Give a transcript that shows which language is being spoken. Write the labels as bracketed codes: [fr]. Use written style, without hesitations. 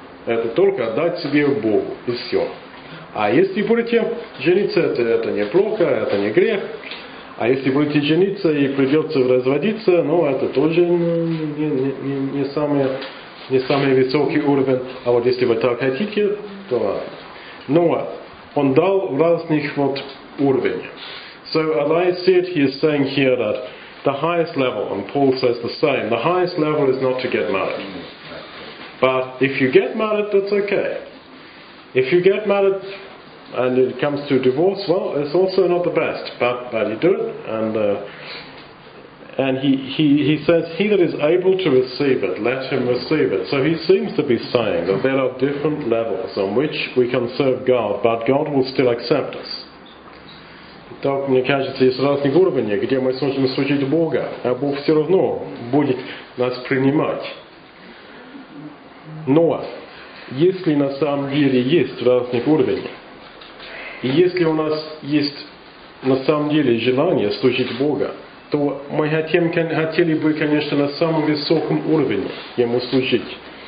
[ru] Это только отдать себе Богу, и все. А если будете жениться, это неплохо, это не грех. А если будете жениться и придется разводиться, ну, это тоже не самый высокий уровень. А вот если вы так хотите, то... Ну, он дал разных вот уровней. [en] So Elias said, he is saying here that the highest level, and Paul says the same, the highest level is not to get married. But if you get married, that's okay. If you get married and it comes to divorce, well, it's also not the best, but you do it. And he says, he that is able to receive it, let him receive it. So he seems to be saying that there are different levels on which we can serve God, but God will still accept us. [ru] Так, мне кажется, есть разные уровни, где мы сможем служить Бога, а Бог все равно будет нас принимать. Но если на самом деле есть разные уровни, и если у нас есть на самом деле желание служить Бога, то мы хотели бы, конечно, на самом высоком уровне Ему служить.